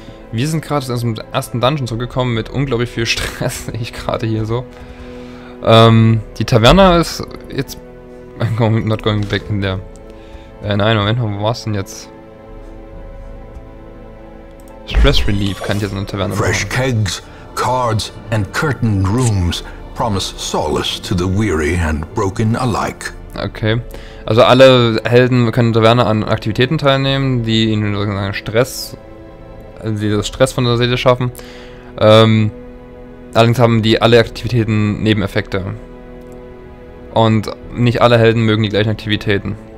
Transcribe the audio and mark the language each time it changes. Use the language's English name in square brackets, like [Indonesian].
[German] Wir sind gerade aus dem ersten Dungeon zurückgekommen mit unglaublich viel Stress, sehe ich gerade hier so. Die Taverne ist jetzt... [English] I'm not going back in there. [German] Nein, Moment, wo war es denn jetzt? Stress Relief kann ich jetzt in der Taverne machen. [English] Fresh kegs, cards and curtained rooms promise solace to the weary and broken alike. [German] Okay, also alle Helden können in der Taverne an Aktivitäten teilnehmen, die ihnen sozusagen Stress, also das Stress von der Seele schaffen. Allerdings haben die alle Aktivitäten Nebeneffekte. Und nicht alle Helden mögen die gleichen Aktivitäten.